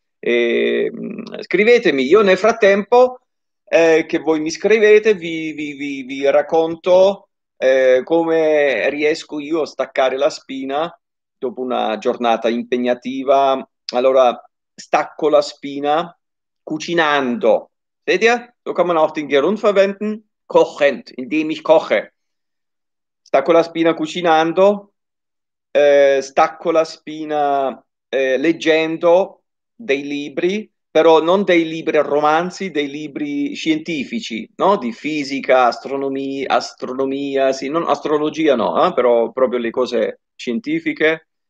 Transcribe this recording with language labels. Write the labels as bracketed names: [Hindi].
[Italian] E scrivetemi, io nel frattempo, che voi mi scrivete, vi racconto come riesco io a staccare la spina dopo una giornata impegnativa. Allora, stacco la spina cucinando. [German] Seht ihr? So kann man auch den Gerund verwenden, kochend, indem ich koche. [Italian] con la spina cucinando, sta con la spina leggendo dei libri, però non dei libri romanzi, dei libri scientifici, no? Di fisica, astronomia, sì, non, astrologia no, però proprio le cose scientifiche.